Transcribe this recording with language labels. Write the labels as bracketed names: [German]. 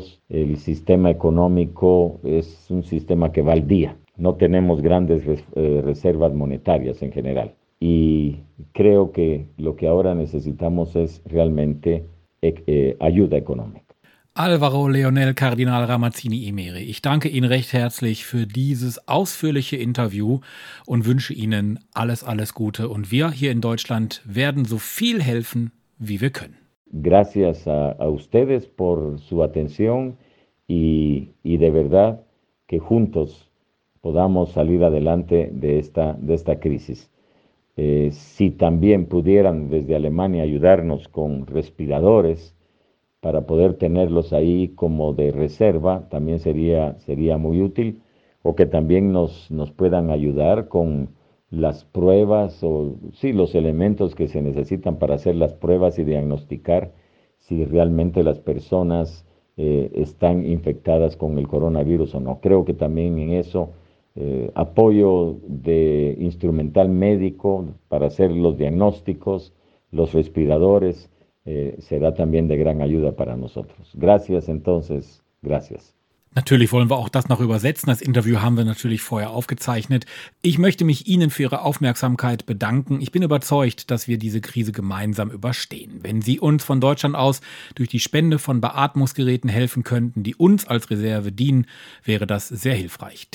[Spanish] El sistema económico es un sistema que va al día. No tenemos grandes reservas monetarias en general. Y creo que lo que ahora necesitamos es realmente ayuda económica. [German] Álvaro Leonel Cardinal Ramazzini Imeri, ich danke Ihnen recht herzlich für dieses ausführliche Interview und wünsche Ihnen alles, alles Gute. Und wir hier in Deutschland werden so viel helfen, wie wir können. [Spanish] Gracias a ustedes por su atención y de verdad que juntos podamos salir adelante de esta crisis. Si también pudieran desde Alemania ayudarnos con respiradores para poder tenerlos ahí como de reserva, también sería muy útil, o que también nos puedan ayudar con las pruebas o sí, los elementos que se necesitan para hacer las pruebas y diagnosticar si realmente las personas están infectadas con el coronavirus o no. Creo que también en eso apoyo de instrumental médico para hacer los diagnósticos, los respiradores, será también de gran ayuda para nosotros. Gracias entonces, gracias. [German] Natürlich wollen wir auch das noch übersetzen. Das Interview haben wir natürlich vorher aufgezeichnet. Ich möchte mich Ihnen für Ihre Aufmerksamkeit bedanken. Ich bin überzeugt, dass wir diese Krise gemeinsam überstehen. Wenn Sie uns von Deutschland aus durch die Spende von Beatmungsgeräten helfen könnten, die uns als Reserve dienen, wäre das sehr hilfreich.